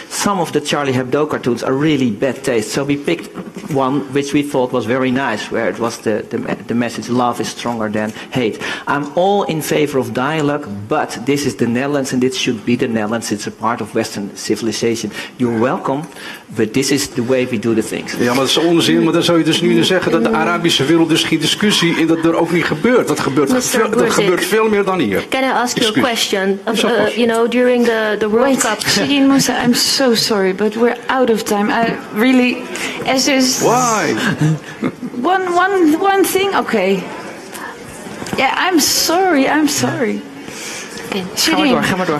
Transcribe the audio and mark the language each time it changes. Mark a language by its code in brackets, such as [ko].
[en] Some of the Charlie Hebdo cartoons are really bad taste. So we picked one which we thought was very nice, where it was the message, love is stronger than hate. I'm all in favor of dialogue, but this is the Netherlands and it should be the Netherlands. It's a part of Western civilization. You're welcome, but this is the way we do the things. [nl] Ja, maar dat is onzin, maar dan zou je dus nu zeggen dat de Arabische wereld dus geen discussie in dat er ook niet gebeurt. Dat gebeurt veel meer dan hier. [en] Can I ask you a question? You know, during the World Cup. Shireen Moussa, I'm so sorry, but we're out of time. I really, as is. Why? One thing. Okay. Yeah, I'm sorry. I'm sorry. Yeah. Okay. Shireen, [nl] ga maar door.